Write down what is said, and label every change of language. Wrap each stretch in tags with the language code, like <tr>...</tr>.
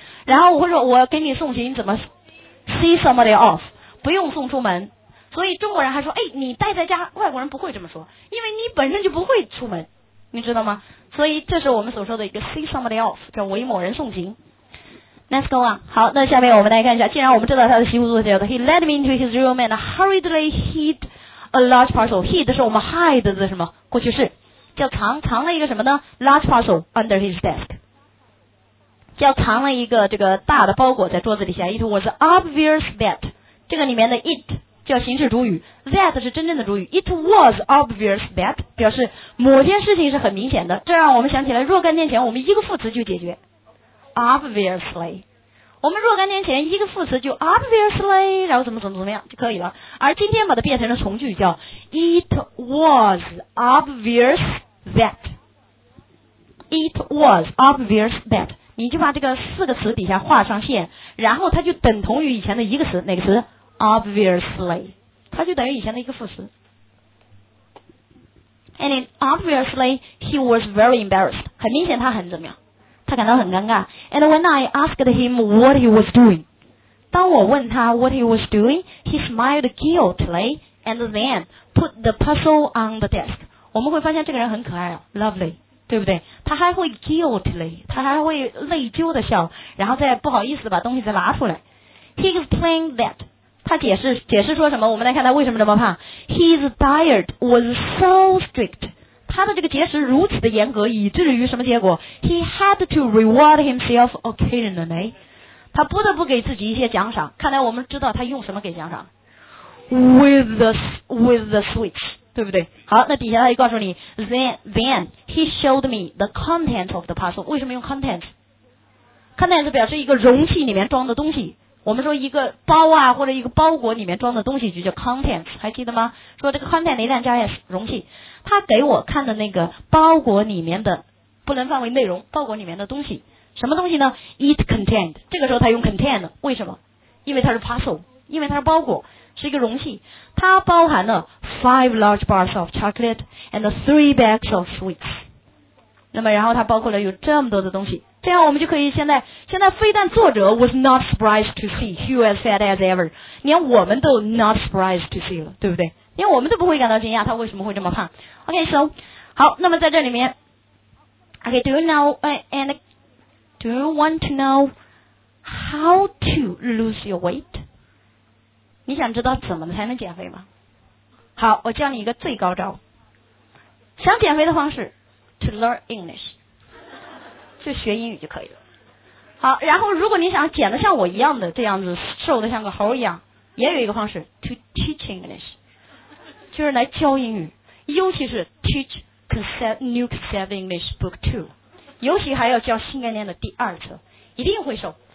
<zh>然后我会说我给你送行，怎么</zh> <en>see somebody off，</en> <zh>不用送出门。所以中国人还说，哎，你待在家，外国人不会这么说，因为你本身就不会出门，你知道吗？所以这是我们所说的一个</zh> <en>see somebody off，</en> <zh>叫为某人送行。</zh> <en>Let's go on。</en> <zh>好，那下面我们来看一下，既然我们知道他的习俗做叫的 ，</zh> <en>He led me into his room and hurriedly hid a large parcel。</en> <zh>Hid 是我们 hide 的什么过去式，叫藏了一个什么呢 ？</zh> <en>Large parcel under his desk，</en> <zh>叫藏了一个这个大的包裹在桌子底下。</zh> <en>It was obvious that</en> <zh>这个里面的</zh> <en>it。</en> <zh>叫形式主语 that 是真正的主语</zh> <en>it was obvious that</en> <zh>表示某件事情是很明显的，这让我们想起来若干年前我们一个副词就解决 obviously， 我们若干年前一个副词就 obviously 然后怎么样就可以了，而今天把它变成了从句叫 it was obvious that，</zh> <en>it was obvious that，</en> <zh>你就把这个四个词底下画上线，然后它就等同于以前的一个词，哪个词Obviously， 它就等于以前的一个副词。</zh> <en>And obviously he was very embarrassed，</en> <zh>很明显他很怎么样，他感到很尴尬。</zh> <en>And when I asked him what he was doing，</en> <zh>当我问他</zh> <en>what he was doing， he smiled guiltily and then put the puzzle on the desk。</en> <zh>我们会发现这个人很可爱、哦、lovely， 对不对？他还会 guiltily， 他还会内疚的笑，然后再不好意思把东西再拿出来。</zh> <en>He explained that，</en> <zh>他解释说什么，我们来看他为什么这么胖。</zh> <en>His diet was so strict，</en> <zh>他的这个节食如此的严格，以至于什么结果？</zh> <en>He had to reward himself occasionally，</en> <zh>他不得不给自己一些奖赏。看来我们知道他用什么给奖赏，</zh> <en>With the sweets，</en> <zh>对不对？好，那底下他就告诉你</zh> <en>Then he showed me the content of the parcel。</en> <zh>为什么用 content？ Content 表示一个容器里面装的东西，我们说一个包啊或者一个包裹里面装的东西就叫 contents， 还记得吗？说这个 content 一旦加 s 容器，他给我看的那个包裹里面的不能范围内容，包裹里面的东西什么东西呢？</zh> <en>It contained，</en> <zh>这个时候他用 contained， 为什么？因为它是 parcel， 因为它是包裹，是一个容器，它包含了</zh> <en>5 large bars of chocolate and 3 bags of sweets。</en> <zh>那么然后它包括了有这么多的东西，这样我们就可以现在非但作者</zh> <en>was not surprised to see he was fat as ever，</en> <zh>连我们都</zh> <en>not surprised to see</en> <zh>了，对不对？连我们都不会感到惊讶他为什么会这么胖。</zh> <en>OK， so</en> <zh>好，那么在这里面</zh> <en>OK， do you know and do you want to know how to lose your weight？</en> <zh>你想知道怎么才能减肥吗？好，我教你一个最高招，想减肥的方式</zh> <en>to learn English，</en> <zh>就学英语就可以了。好，然后如果你想减得像我一样的这样子瘦得像个猴一样，也有一个方式</zh> <en>to teach English，</en> <zh>就是来教英语，尤其是</zh> <en>teach new conceptual English book 2，</en> <zh>尤其还要教新概念的第二册，一定会瘦。</zh>